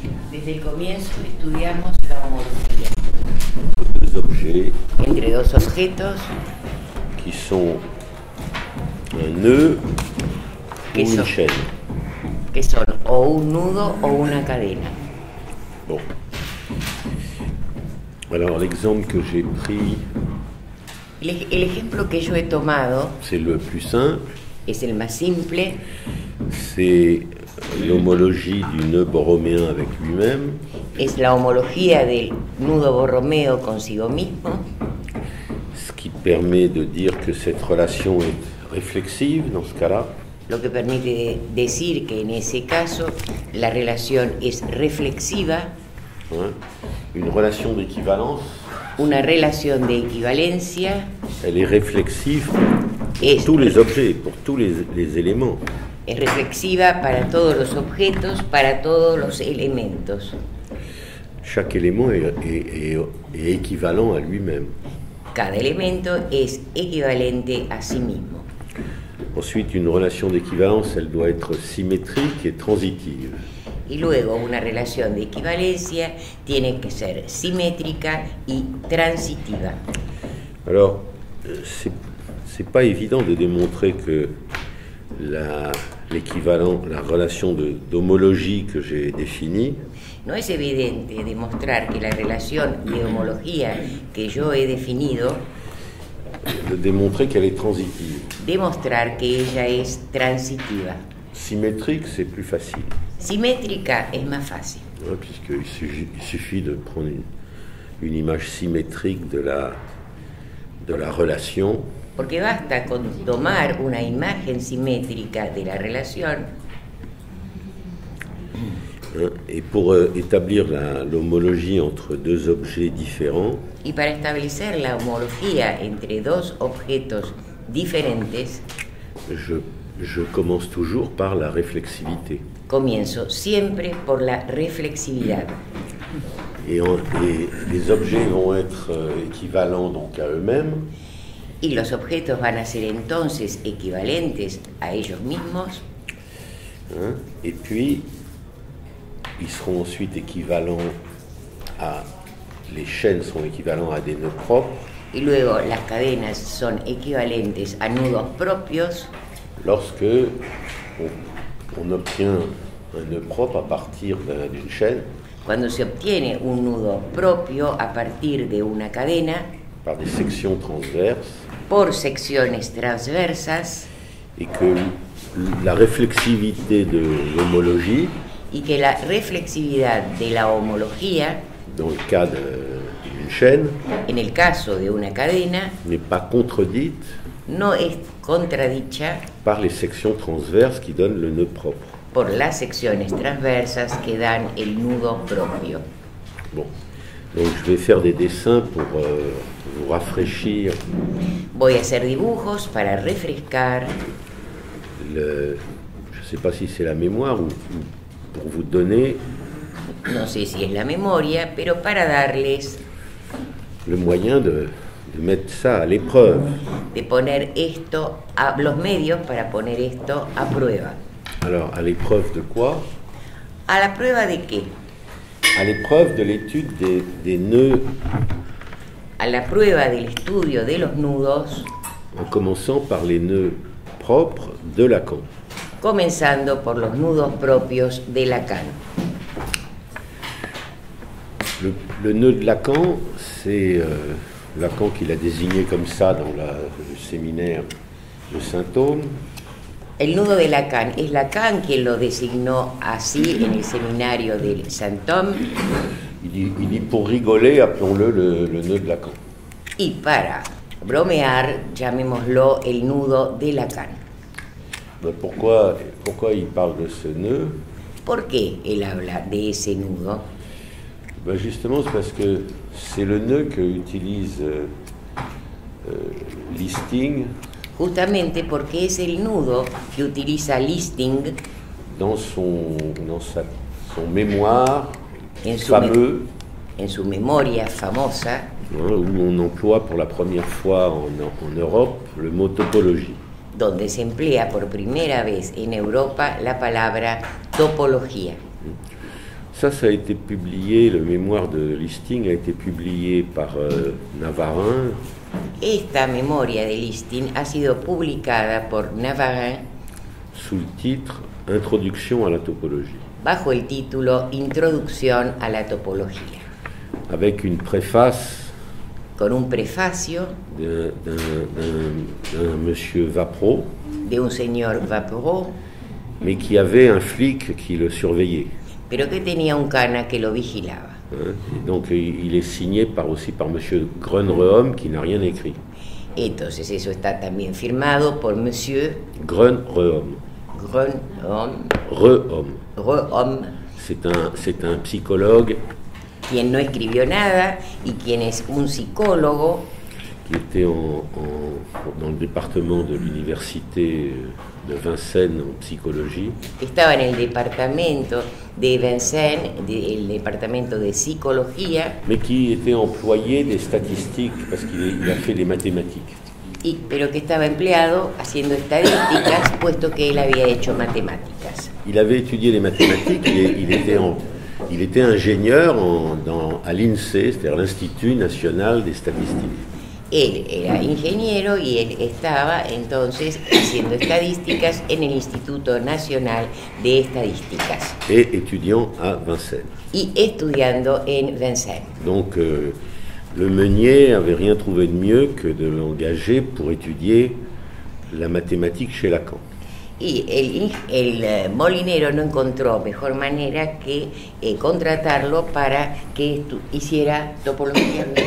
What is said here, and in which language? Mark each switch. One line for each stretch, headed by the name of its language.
Spanish: desde el comienzo estudiamos la homología.
French: Deux objets.
Spanish: Entre dos objetos.
French: Qui sont un nœud ou une chaîne.
Spanish: Que son o un nudo o una cadena.
French: Bon. Alors l'exemple que j'ai pris.
Spanish: El ejemplo que yo he tomado.
French: C'est le plus simple.
Spanish: Es el más simple.
French: C'est l'homologie du nœud borroméen avec lui-même.
Spanish: Es la homología del nudo borromeo consigo mismo.
French: Ce qui permet de dire que cette relation est réflexive dans ce cas-là.
Spanish: Lo que permite decir que en ese caso la relación es reflexiva.
French: Ouais. Une relation d'équivalence.
Spanish: Una relación de equivalencia.
French: Elle est réflexive pour tous les objets, pour tous les éléments.
Spanish: Es reflexiva para todos los objetos, para todos los elementos.
French: Chaque élément est équivalent à lui-même.
Spanish: Cada elemento es equivalente a sí mismo.
French: Ensuite, une relation d'équivalence, elle doit être symétrique et transitive.
Spanish: Y luego, una relación de equivalencia tiene que ser simétrica y transitiva.
French: Alors, c'est pas évident de démontrer que la relation d'homologie que j'ai définie.
Spanish: No es evidente demostrar que la relación de homología que yo he definido.
French: De démontrer qu'elle est transitive.
Spanish: Demostrar que ella es transitiva.
French: Symétrique, c'est plus facile.
Spanish: Simétrica es más fácil.
French: Ouais, puisqu'il suffit de prendre une image symétrique de la relation.
Spanish: Porque basta con tomar una imagen simétrica de la relación.
French: Et pour établir l'homologie entre deux objets différents.
Spanish: Y para establecer la homología entre dos objetos diferentes.
French: Je commence toujours par la réflexivité.
Spanish: Comienzo siempre por la reflexividad.
French: Et les objets vont être équivalents donc à eux-mêmes.
Spanish: Y los objetos van a ser entonces equivalentes a ellos mismos.
French: Hein? Et puis ils seront ensuite équivalents à les chaînes sont équivalents à des nœuds propres.
Spanish: Y luego las cadenas son equivalentes a nudos propios.
French: Lorsque on obtient un nœud propre à partir d'une chaîne.
Spanish: Cuando se obtiene un nudo propio a partir de una cadena.
French: Par des sections transverses.
Spanish: Por secciones transversas.
French: Et que la réflexivité de l'homologie.
Spanish: Y que la reflexividad de la homología.
French: Dans le cas d'une chaîne.
Spanish: En el caso de una cadena.
French: N'est pas contredite.
Spanish: No es contradicha.
French: Par les sections transverses qui donnent le nœud propre.
Spanish: Por las secciones transversas que dan el nudo propio.
French: Bon. Donc je vais faire des dessins pour vous rafraîchir.
Spanish: Voy a hacer dibujos para refrescar.
French: Je sais pas si c'est la mémoire ou pour vous donner.
Spanish: No sé si es la memoria, pero para darles.
French: Le moyen de mettre ça à l'épreuve.
Spanish: De poner esto a los medios para poner esto a prueba.
French: Alors, à l'épreuve de quoi?
Spanish: À la prueba de qué?
French: À l'épreuve de l'étude des nœuds.
Spanish: À la prueba del estudio de los nudos.
French: En commençant par les nœuds propres de Lacan.
Spanish: Comenzando por los nudos propios de Lacan.
French: Le nœud de Lacan, c'est Lacan qui l'a désigné comme ça dans le séminaire de Saint-Aune.
Spanish: El nudo de Lacan es Lacan quien lo designó así en el seminario de Saint-Aune.
French: Il dit pour rigoler, appelons-le le nœud de Lacan.
Spanish: Y para bromear, llamémoslo el nudo de Lacan.
French: Ben pourquoi il parle de ce nœud?
Spanish: ¿Por qué él habla de ese nudo?
French: Ben justement, c'est parce que c'est le nœud que utilise Listing.
Spanish: Justamente porque es el nudo que utiliza Listing
French: dans son mémoire en fameux,
Spanish: en su memoria famosa,
French: où on emploie pour la première fois en Europe le mot topologie.
Spanish: Donde se emplea por primera vez en Europa la palabra topología.
French: Ça a été publié, le mémoire de Listing a été publié par Navarin.
Spanish: Esta memoria de Listing ha sido publicada por Navarin.
French: Sous le titre Introduction à la topologie.
Spanish: Bajo el título Introducción a la topología.
French: Avec une préface.
Spanish: Con un prefacio.
French: D'un monsieur Vapro.
Spanish: De un señor Vapro.
French: Mais qui avait un flic qui le surveillait.
Spanish: Pero que tenía un cana que lo vigilaba.
French: Et donc il est signé par monsieur Grunreum qui n'a rien écrit.
Spanish: Entonces eso está también firmado por monsieur Grunreum. Grunreum. Reum. Reum.
French: C'est un psychologue.
Spanish: Quien no escribió nada y quien es un psicólogo.
French: Qui était dans le département de l'université de Vincennes en psychologie.
Spanish: Estaba en el departamento de Vincennes, el departamento de psicología.
French: Mais qui était employé des statistiques parce qu'il a fait les mathématiques.
Spanish: Y, pero que estaba empleado haciendo estadísticas puesto que él había hecho matemáticas.
French: Il avait étudié les mathématiques, il était ingénieur à l'INSEE, c'est-à-dire l'Institut National des Statistiques.
Spanish: Él era ingeniero y él estaba entonces haciendo estadísticas en el Instituto Nacional de Estadísticas.
French: Et étudiant à Vincennes.
Spanish: Y estudiando en Vincennes.
French: Donc le Meunier avait rien trouvé de mieux que de l'engager pour étudier la mathématique chez Lacan.
Spanish: Y el molinero no encontró mejor manera que contratarlo para que hiciera topología